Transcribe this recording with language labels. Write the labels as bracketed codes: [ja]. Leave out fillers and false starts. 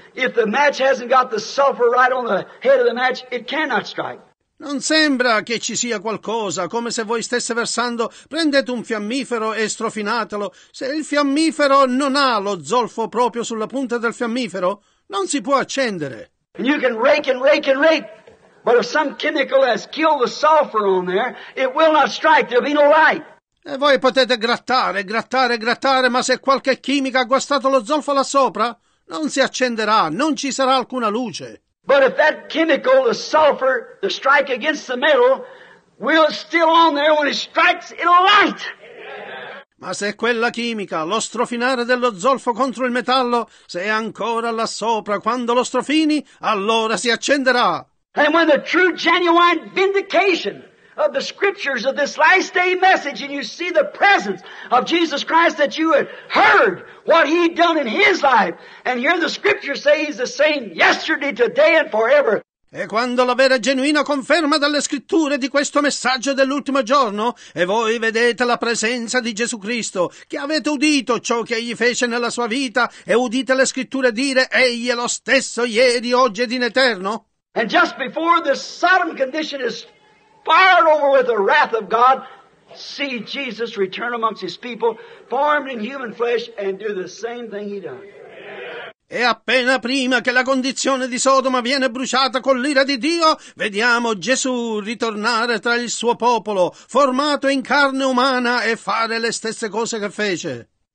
[en] If the match hasn't got the sulfur right on the head of the match, it cannot strike. [it] Non sembra che ci sia qualcosa, come se voi stesse versando, prendete un fiammifero e strofinatelo. Se il fiammifero non ha lo zolfo proprio sulla punta del fiammifero, non si può accendere. [en] And you can rake and rake and rake, but if some chemical has killed the sulfur on there, it will not strike, there'll be no light. [it] E voi potete grattare, grattare, grattare, ma se qualche chimica ha guastato lo zolfo là sopra, non si accenderà, non ci sarà alcuna luce. [en] But if that chemical, the sulfur, the strike against the metal, will still on there when it strikes, it'll light. [it] Ma se quella chimica, lo strofinare dello zolfo contro il metallo, se è ancora là sopra, quando lo strofini, allora si accenderà. [en] And when the true, genuine vindication of the scriptures of this last day message, and you see the presence of Jesus Christ, that you had heard what He'd done in His life, and hear the scriptures say He's the same yesterday, today, and forever. [it] E quando la vera e genuina conferma dalle scritture di questo messaggio dell'ultimo giorno, e voi vedete la presenza di Gesù Cristo, che avete udito ciò che Egli fece nella sua vita, e udite le scritture dire, Egli è lo stesso ieri, oggi ed in eterno? [en] And just before this Sodom condition is fired over with the wrath of God, see Jesus return amongst His people, formed in human flesh, and do the same thing He done. [it] E appena prima che la condizione di Sodoma viene bruciata con l'ira di Dio, vediamo Gesù ritornare tra il suo popolo, formato in carne umana, e fare le stesse cose che fece.